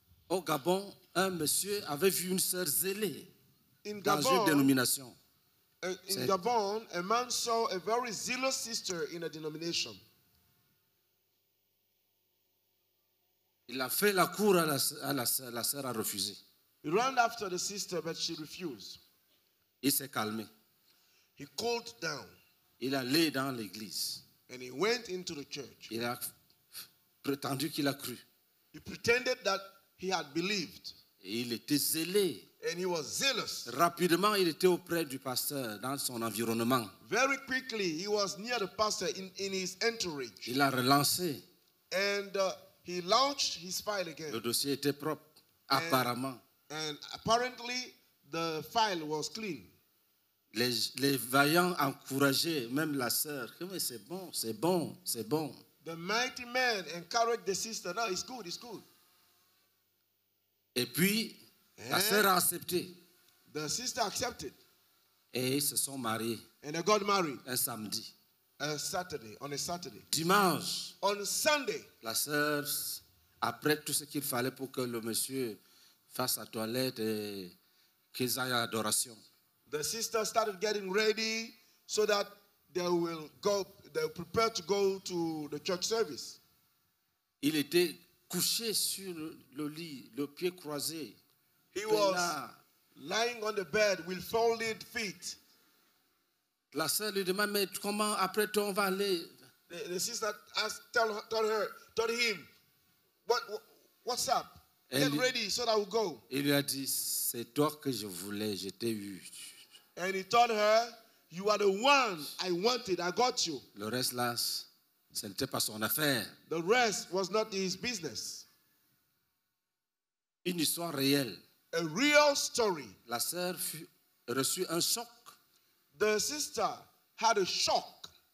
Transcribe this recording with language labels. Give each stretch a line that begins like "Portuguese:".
French: Au Gabon, un monsieur avait vu une sœur zélée
English: in
French: dans Gabon, une dénomination.
English: In Gabon, a man saw a very zealous sister in a denomination.
French: Il a fait la cour à la sœur a refusé.
English: He ran after the sister, but she refused.
French: Il s'est calmé.
English: He cooled down.
French: Il allait dans l'église.
English: And he went into the church.
French: Il a prétendu qu'il a cru.
English: He pretended that he had believed.
French: Et il était zélé.
English: And he was zealous.
French: Rapidement, il était auprès du pasteur dans son environnement.
English: Very quickly, he was near the pastor in his entourage.
French: Il a relancé.
English: And he launched his file again.
French: Le dossier était propre, apparemment.
English: And apparently, the file was clean.
French: Les vaillants encourageaient même la sœur. Mais c'est bon.
English: The mighty man encouraged the sister. No, it's good.
French: Et puis, la sœur a accepté.
English: The sister accepted.
French: Et ils se sont mariés.
English: And they got married.
French: Un samedi.
English: On a Saturday.
French: Dimanche.
English: On Sunday.
French: La sœur, après tout ce qu'il fallait pour que le monsieur fasse sa toilette et qu'ils aillent à l'adoration.
English: The sister started getting ready so that they will prepare to go to the church service.
French: Il était couché sur le lit, le pied croisé.
English: He was lying on the bed with folded feet.
French: La sœur lui demande, mais comment après toi on va aller?
English: The sister asked, told him, what's up? Get ready so that we'll go.
French: Il lui a dit, c'est toi que je voulais, je t'ai eu.
English: And he told her, you are the one I wanted, I got you.
French: Le reste là, ce n'était pas son affaire.
English: The rest was not his business.
French: Une histoire réelle.
English: A real story.
French: La sœur reçut un choc.
English: The sister had a shock.